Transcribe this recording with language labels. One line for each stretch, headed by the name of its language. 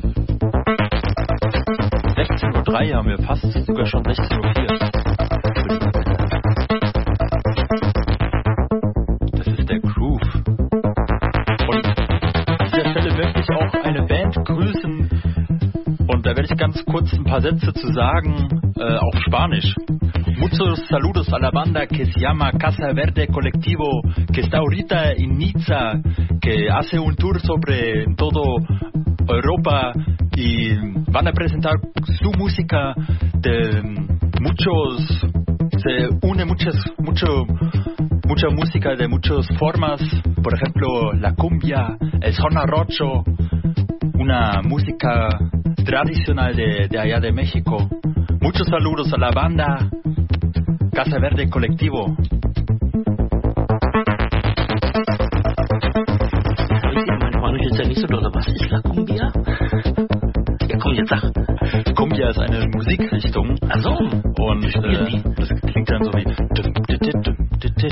German: 16.03 Uhr haben wir fast sogar schon 16.04 Uhr. Das ist der Groove. Und an dieser Stelle möchte ich auch eine Band grüßen. Und da werde ich ganz kurz ein paar Sätze zu sagen, auf Spanisch.
Spanish: Muchos saludos a la banda que se llama Casa Verde Colectivo, que está ahorita en Niza, que hace un tour sobre todo Europa y van a presentar su música de muchos, se une mucha música de muchas formas, por ejemplo la cumbia, el sonarrocho, una música tradicional de allá de México. Muchos saludos a la banda Casa Verde Colectivo.
German: Mein Spanisch ist ja nicht so doll. Was ist La Cumbia? Ja, komm, jetzt sag. Cumbia ist eine Musikrichtung. Ach so. Und das klingt dann so wie... Und